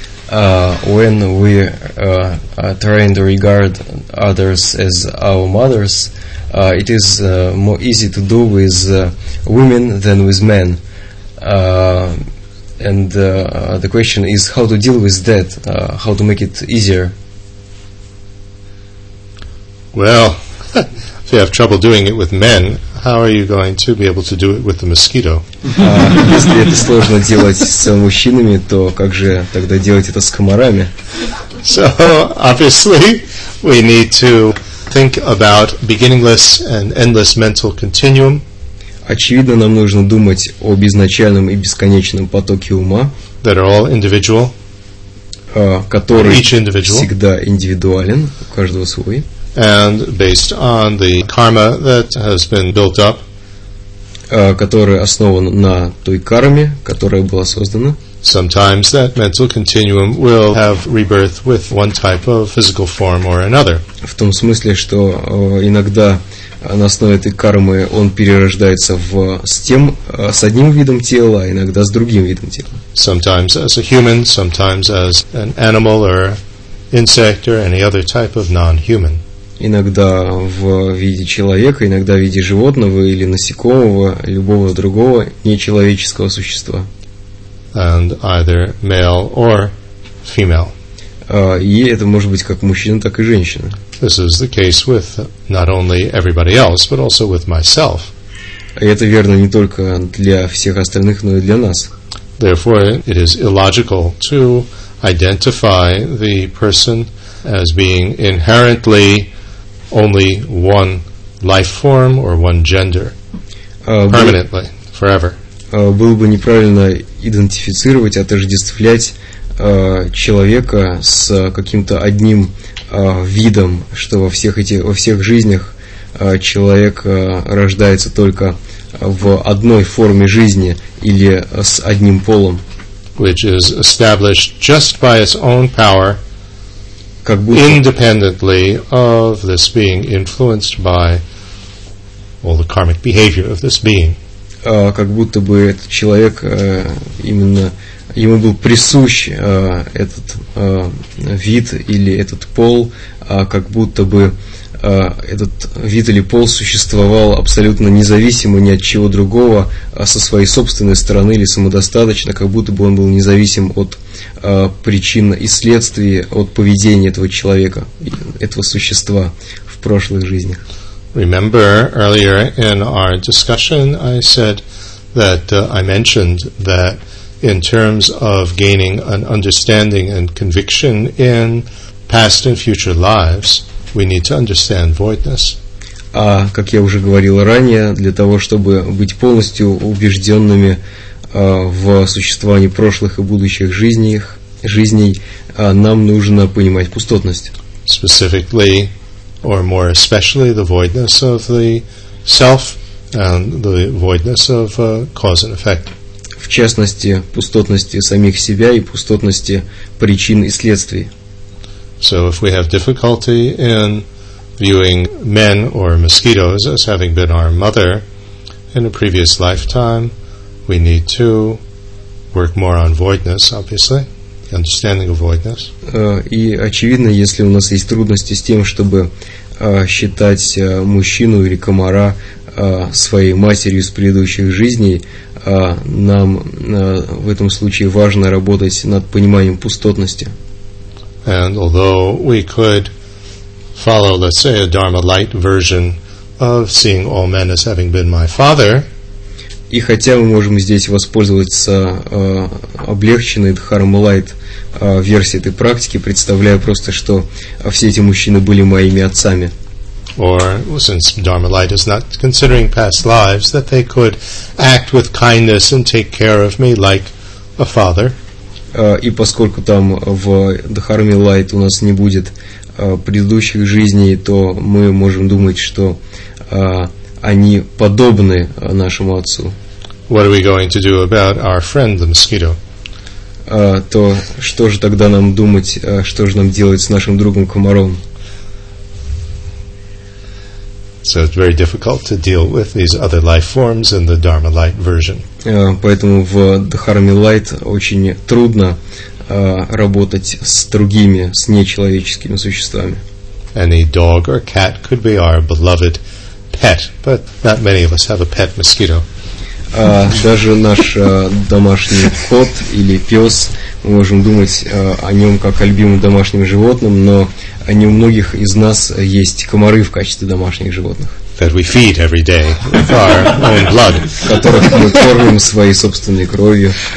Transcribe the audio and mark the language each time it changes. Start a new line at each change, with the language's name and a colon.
English: When we are trying to regard others as our mothers, it is more easy to do with women than with men. And the question is how to deal with that, how to make it easier. Well, if you have trouble doing it with men, how are you going to be able to do it with the mosquito?
Russian: Если это сложно делать с мужчинами, то как же тогда делать это с комарами?
English: So, obviously, we need to think about beginningless and endless mental continuum.
Russian: Очевидно, нам нужно думать об изначальном и бесконечном потоке ума.
English: That are all individual.
Russian: Который всегда индивидуален, у каждого свой.
English: And based on the karma that has been built up,
Russian: которая основана на той карме, которая была создана.
English: Sometimes that mental continuum will have rebirth with one type of physical form or another.
Russian: В том смысле, что иногда на основе этой кармы он перерождается с одним видом тела, а иногда с другим видом тела.
English: Sometimes as a human, sometimes as an animal or insect or any other type of non-human.
Russian: Иногда в виде человека, иногда в виде животного или насекомого, любого другого нечеловеческого существа.
English: And either male or female.
Russian: И это может быть как мужчина, так и женщина.
English: This is the case with not only everybody else, but also with myself.
Russian: И это верно не только для всех остальных, но и для нас.
English: Therefore, it is illogical to identify the person as being inherently only one life form or one gender permanently, forever.
Russian: было бы неправильно идентифицировать, отождествлять человека с каким-то одним видом, что во всех жизнях человек рождается только в одной форме жизни или с одним полом,
English: which is established just by its own power,
Russian: как будто
English: independently of this being influenced by all the karmic behavior of this being.
Russian: Как будто бы этот человек именно ему был присущ этот вид или этот пол, как будто бы этот вид или пол существовал абсолютно независимо ни от чего другого, а со своей собственной стороны или самодостаточно, как будто бы он был независим от причин и следствий, от поведения этого человека, этого существа в прошлых жизнях.
English: Remember earlier in our discussion, I said that I mentioned that in terms of gaining an understanding and conviction in past and future lives, we need to understand voidness.
Russian: А как я уже говорил ранее, для того чтобы быть полностью убежденными в существовании прошлых и будущих жизней, нам нужно понимать пустотность.
English: Specifically, or more especially, the voidness of the self and the voidness of cause and effect.
Russian: В частности, пустотности самих себя и пустотности причин и следствий.
English: So if we have difficulty in viewing men or mosquitoes as having been our mother in a previous lifetime, we need to work more on voidness, obviously. Understanding of voidness.
Russian: И очевидно, если у нас есть трудности с тем, чтобы считать мужчину или комара своей матерью с предыдущих жизней, нам в этом случае важно работать над пониманием пустотности.
English: And although we could follow, let's say, a Dharma light version of seeing all men as having been my father,
Russian: и хотя мы можем здесь воспользоваться облегченной дхармалайт версией этой практики, представляя просто, что все эти мужчины были моими отцами.
English: Or, since Dharma light is not considering past lives, that they could act with kindness and take care of me like a father.
Russian: И поскольку там в Dharma light у нас не будет предыдущих жизней, то мы можем думать, что они подобны нашему отцу.
English: What are we going to do about our friend, the mosquito?
Russian: То что же тогда нам думать, что же нам делать с нашим другом комаром?
English: So it's very difficult to deal with these other life forms in the Dharma light version.
Russian: Поэтому в Dharma light очень трудно работать с другими, с нечеловеческими существами.
English: Any dog or cat could be our beloved pet, but not many of us have a pet mosquito.
Russian: Даже наш домашний кот или пес, мы можем думать о нем как о любимом домашнем животном, но не у многих из нас есть комары в качестве домашних животных.
English: That we feed every day with our own blood.
Russian: Которых мы кормим своей собственной кровью.